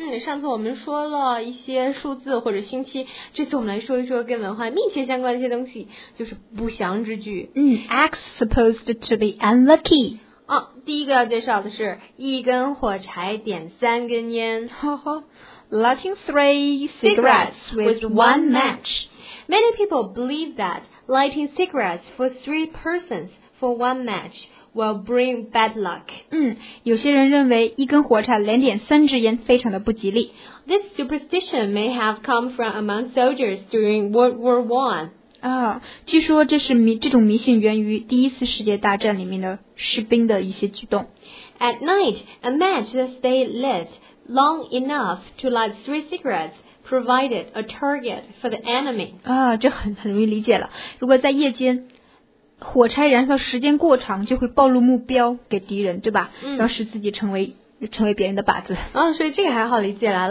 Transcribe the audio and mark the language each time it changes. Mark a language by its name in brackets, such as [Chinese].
[Chinese] 上次我们说了一些数字或者星期，这次我们来说一说跟文化密切相关的一些东西，就是不祥之句。 [English] X supposed to be unlucky. [Chinese] 啊，第一个要介绍的是一根火柴点三根烟。 [English] 哈哈 ，lighting three cigarettes with one match. Many people believe that lighting cigarettes for three persons for one match will bring bad luck. [Chinese] 嗯，有些人认为一根火柴连点三支烟非常的不吉利。 [English] This superstition may have come from among soldiers during World War I. [Chinese] 啊，据说这种迷信源于第一次世界大战里面的士兵的一些举动。 [English] At night, a match that stayed lit long enough to light three cigarettes provided a target for the enemy. [Chinese] 啊，这很容易理解了。如果在夜间，火柴燃烧时间过长，就会暴露目标给敌人，对吧？嗯。然后使自己成为别人的靶子。啊，所以这个还好理解了。